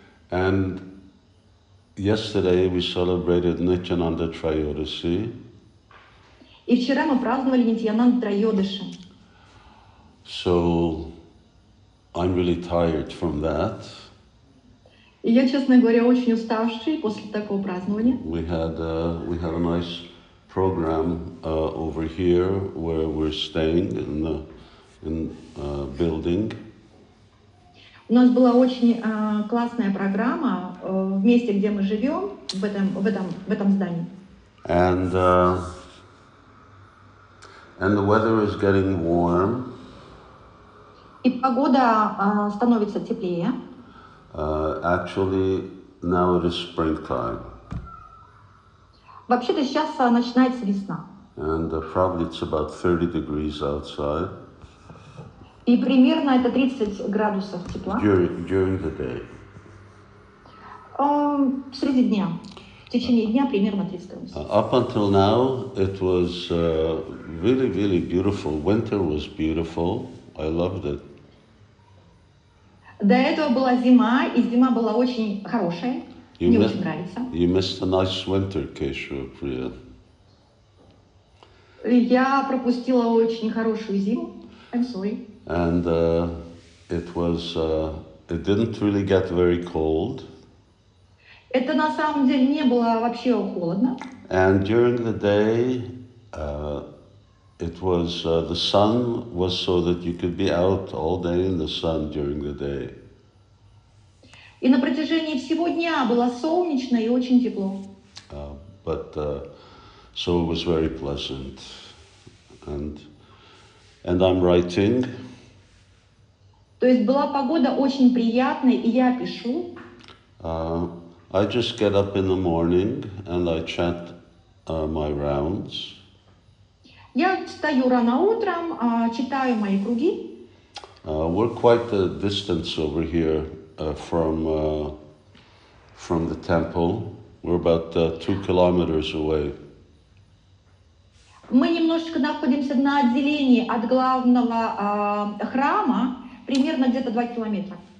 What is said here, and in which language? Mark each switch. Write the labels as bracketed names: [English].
[English] And yesterday we celebrated Nityananda Trayodashi. [Russian] И вчера мы праздновали Нитьянанда Трайодаши. [English] So I'm really tired from that. [Russian] И я, честно говоря, очень уставший после такого празднования. [English] We had a nice program over here where we're staying in the building. [Russian] У нас была очень классная программа в месте, где мы живем, в этом здании. [English] And the weather is getting warm. [Russian] И погода становится теплее. [English] Actually, now it is springtime. [Russian] Вообще-то сейчас начинается весна. [English] And probably it's about 30 degrees outside. [Russian] И примерно это 30 градусов тепла. [English] During the day. [Russian] Среди дня. В течение дня примерно 30 градусов. [English] Up until now, it was really, really beautiful. Winter was beautiful. I loved it. [Russian] До этого была зима, и зима была очень хорошая. [English] You missed a nice winter, Keshava Priya. [Russian] Я пропустила очень хорошую зиму. [English] I'm sorry. And it didn't really get very cold. [Russian] Это на самом деле не было вообще холодно. [English] And during the day, the sun was so that you could be out all day in the sun during the day. [Russian] И на протяжении всего дня было солнечно и очень тепло. [English] But it was very pleasant. And I'm writing. [Russian] То есть была погода очень приятная, и я пишу. [English] I just get up in the morning and I chant my rounds. [Russian] Я встаю рано утром, читаю мои круги. [English] We're quite a distance over here. From the temple, we're about 2 kilometers away. [Russian] Мы немножечко находимся на отделении от главного храма, примерно где-то 2 километра.